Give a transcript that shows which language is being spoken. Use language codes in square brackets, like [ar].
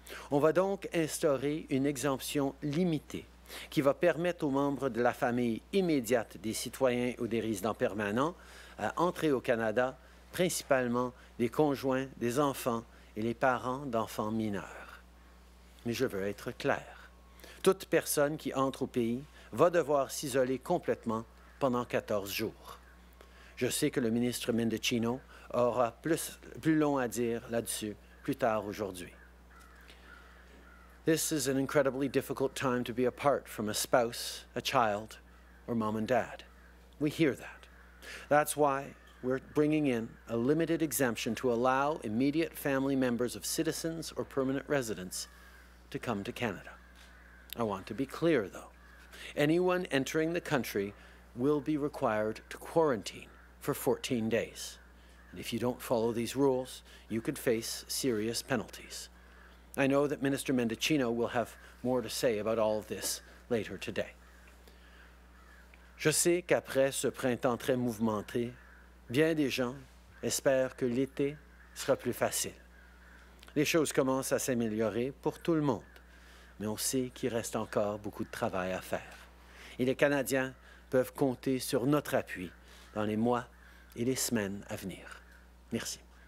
[fr] On va donc instaurer une exemption limitée qui va permettre aux membres de la famille immédiate des citoyens ou des résidents permanents à entrer au Canada, principalement des conjoints, des enfants et les parents d'enfants mineurs. Mais je veux être clair. Toute personne qui entre au pays va devoir s'isoler complètement pendant 14 jours. Je sais que le ministre Mendicino aura plus long à dire là-dessus plus tard aujourd'hui. [en] This is an incredibly difficult time to be apart from a spouse, a child, or mom and dad. We hear that. That's why we're bringing in a limited exemption to allow immediate family members of citizens or permanent residents to come to Canada. I want to be clear, though. Anyone entering the country will be required to quarantine for 14 days. And if you don't follow these rules, you could face serious penalties. I know that Minister Mendicino will have more to say about all of this later today. [fr] Je sais qu'après ce printemps très mouvementé, bien des gens espèrent que l'été sera plus facile. Les choses commencent à s'améliorer pour tout le monde, mais on sait qu'il reste encore beaucoup de travail à faire. Et les Canadiens peuvent compter sur notre appui dans les mois et les semaines à venir. Merci.